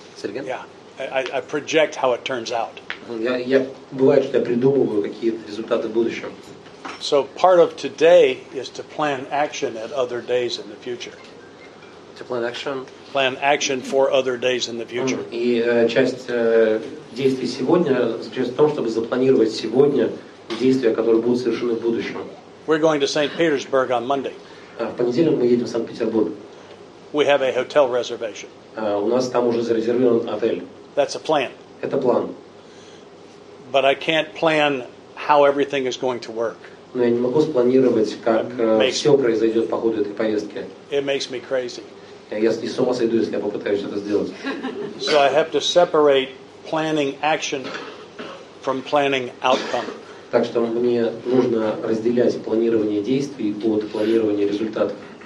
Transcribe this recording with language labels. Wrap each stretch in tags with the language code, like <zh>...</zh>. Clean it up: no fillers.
<en>Yeah, I project how it turns out.</en> <ru>Я бывает, что я придумываю какие-то результаты в будущем.</ru> <en>So part of today is to plan action at other days in the future. To plan action. Plan action for other days in the future.</en> <ru>И часть действий сегодня заключается в том, чтобы запланировать сегодня действия, которые будут совершены в будущем.</ru> <en>We're going to St. Petersburg on Monday.</en> <ru>В понедельник мы едем в Санкт-Петербург.</ru> <en>We have a hotel reservation.</en> <ru>У нас там уже зарезервирован отель.</ru> <en>That's a plan.</en> <ru>Это план.</ru> <en>But I can't plan how everything is going to work.</en> <ru>Но я не могу спланировать, как все произойдет по ходу этой поездки.</ru> <en>It makes me crazy.</en> <ru>Я и с ума сойду, если я попытаюсь это сделать.</ru> <en>So I have to separate planning action from planning outcome.</en> <ru>Так что мне нужно разделять планирование действий от планирования результатов.</ru>